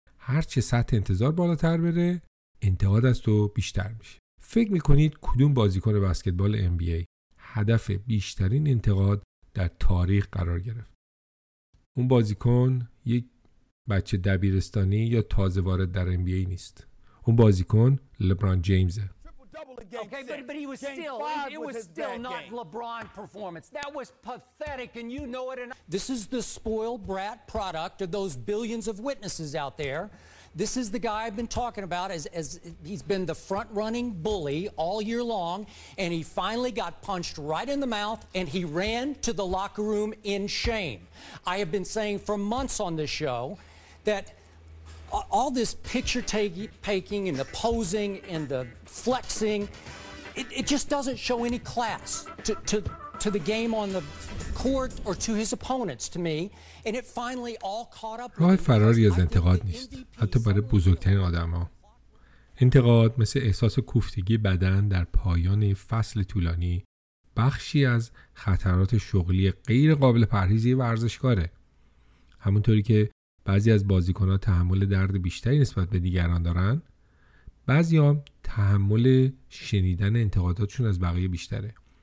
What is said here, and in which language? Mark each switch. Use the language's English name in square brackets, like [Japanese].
[Persian] هرچه سطح انتظار بالاتر بره، انتقاد از تو بیشتر میشه. فکر میکنید کدوم بازیکن بسکتبال NBA هدف بیشترین انتقاد در تاریخ قرار گرفت؟ اون بازیکن یک بچه دبیرستانی یا تازه وارد در NBA نیست. اون بازیکن لبران جیمزه. [English] Okay, but he was still, it was still not LeBron performance. That was pathetic, and you know it. And this is the spoiled brat product of those billions of witnesses out there. This is the guy I've been talking about. As he's been the front-running bully all year long, and he finally got punched right in the mouth, and he ran to the locker room in shame. I have been saying for months on this show that all this picture taking and the posing and the flexing, it just doesn't show any class to the game on the court or to his opponents to me. And it finally all caught up. [Persian] راه فراری از انتقاد نیست، حتی برای بزرگترین آدم ها. انتقاد مثل احساس کوفتگی بدن در پایان فصل طولانی بخشی از خطرات شغلی غیر قابل پرهیزی ورزشکاره. همونطوری که بعضی از بازیکن‌ها تحمل درد بیشتری نسبت به دیگران دارن، بعضی هم تحمل شنیدن انتقاداتشون از بقیه بیشتره.